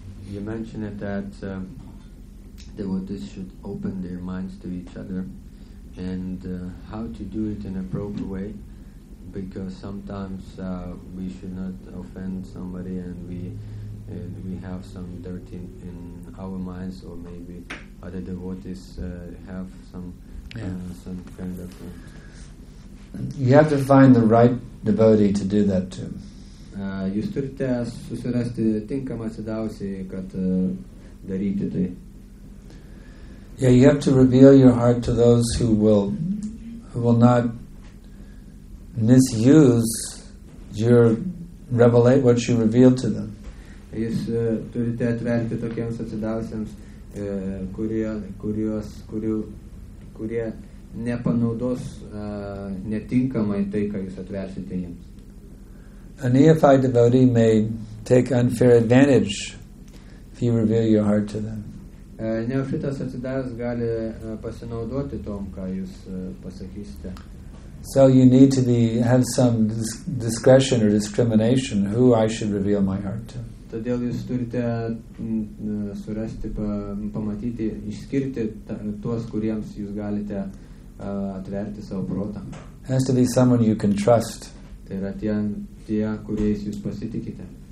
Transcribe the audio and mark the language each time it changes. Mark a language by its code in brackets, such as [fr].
[en] You mentioned it that devotees should open their minds to each other and how to do it in a proper way, because sometimes we should not offend somebody and we have some dirt in our minds, or maybe other devotees have some some kind of thing. You have to find the right devotee to do that to. [lt] Jūs turite susirasti tinkamą atsidavusį, kad daryti tai. [en] Yeah, you have to reveal your heart to those who will not misuse your revelate what you reveal to them. [lt] Jūs turite atverti tokiems atsidavusiems, kurie nepanaudos netinkamai tai, ką jūs atversite jiems. [en] A neophyte devotee may take unfair advantage if you reveal your heart to them. [lt] Neofitas atsidavęs gali pasinaudoti tom, ką jūs pasakysite. [en] So you need to have some discretion or discrimination who I should reveal my heart to. [lt] Todėl jūs turite surasti, pamatyti, išskirti tuos, kuriems jūs galite atverti savo protą. [en] Has to be someone you can trust. [lt] Tai yra tie, kuriais jūs pasitikite.